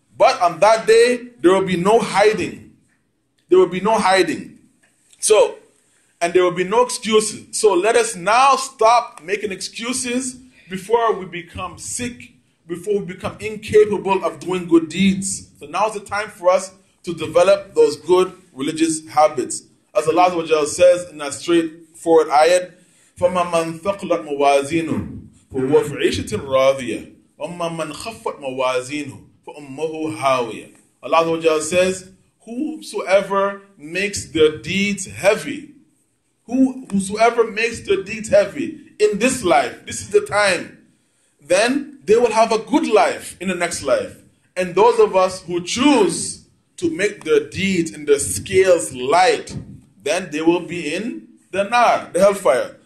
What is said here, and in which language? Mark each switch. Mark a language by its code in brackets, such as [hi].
[en] But on that day, there will be no hiding. There will be no hiding. So, and there will be no excuses. So let us now stop making excuses before we become sick, before we become incapable of doing good deeds. So now is the time for us to develop those good religious habits. As Allah says in that straightforward ayat, [ar] فَمَا مَنْ ثَقُلَتْ مَوَازِينُهُ فَهُوَ فِي عِيشَةٍ رَاضِيَةٍ وَمَّا مَنْ خَفَّتْ مَوَازِينُهُ فَأُمَّهُ هَاوِيَةٍ. [en] Allah says, whosoever makes their deeds heavy, whosoever makes their deeds heavy in this life, this is the time, then they will have a good life in the next life. And those of us who choose to make their deeds and their scales light, then they will be in the nar, the hellfire.